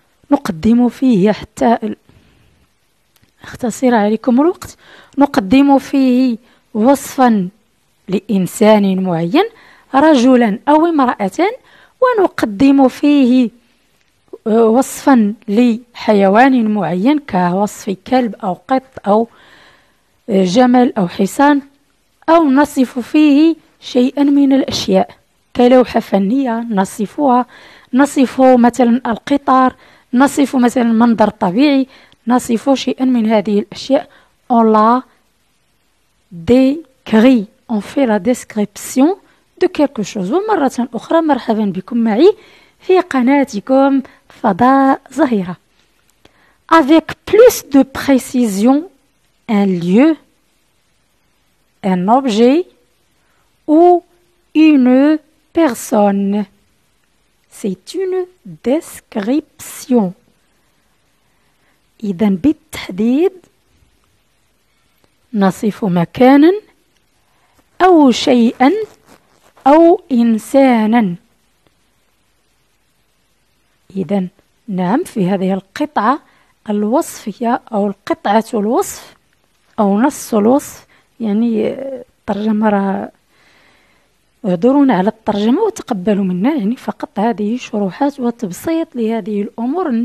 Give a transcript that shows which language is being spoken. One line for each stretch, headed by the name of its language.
Arabic: نقدم فيه حتى اختصر عليكم الوقت، نقدم فيه وصفا لإنسان معين، رجلا أو امرأة، ونقدم فيه وصفا لحيوان معين كوصف كلب أو قط أو جمل أو حصان، أو نصف فيه شيئا من الأشياء كلوحة فنية نصفها، نصف مثلا القطار، نصف مثلا منظر طبيعي، نصف شيئا من هذه الأشياء.
French: On la décrit, on fait la description de quelque chose.
Arabic: ومرة أخرى مرحبا بكم معي في قناتكم فضاء زهيرة.
French: Avec plus de précision, un lieu, un objet ou une personne. C'est une description.
Arabic: إذا بالتحديد نصف مكانا أو شيئا أو إنسانا. إذا نعم، في هذه القطعة الوصفية أو القطعة الوصف أو نص الوصف، يعني الترجمة راه اعذرونا على الترجمة وتقبلوا منا، يعني فقط هذه شروحات وتبسيط لهذه الأمور.